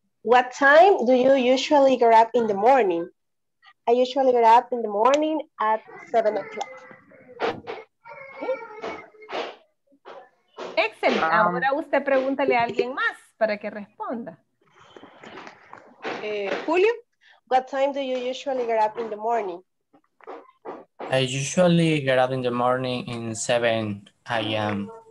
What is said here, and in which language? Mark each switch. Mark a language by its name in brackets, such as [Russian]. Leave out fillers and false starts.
[English] What time do you usually get up in the morning? I usually get up in the morning at 7 o'clock. Okay. [Spanish] Excelente. Ahora usted pregúntale a alguien más para que responda. [English] Julio, what time do you usually get up in the morning? I usually get up in the morning in 7 a.m.